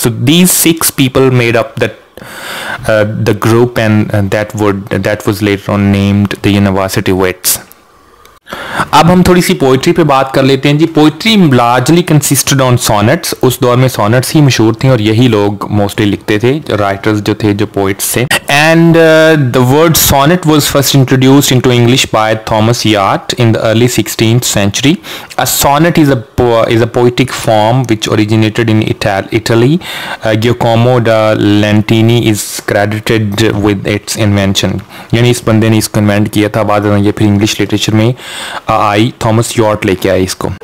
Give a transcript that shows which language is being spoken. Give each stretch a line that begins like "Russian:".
English: So these six people made up the group and that was later on named the university wits.
Urdu: اب ہم تھوڑی سی poetry پہ بات کر لیتے ہیں. جی,
English: Poetry largely consisted on sonnets.
Urdu: اس دور میں سونٹس ہی مشہور تھیں اور یہی لوگ موسٹلی لکھتے تھے, رائٹرز جو تھے جو پوئٹس تھے.
English: And the word sonnet was first introduced into English by Thomas Wyatt in the early 16th century. A sonnet is a poetic form which originated in Italy. Giacomo da Lentini is credited with its invention.
Urdu: یعنی اس بندے نے اس کو invent کیا تھا, بعد میں یہ پھر انگلش لٹریچر میں آئی, تھامس یارٹ لے کے آئے اس کو.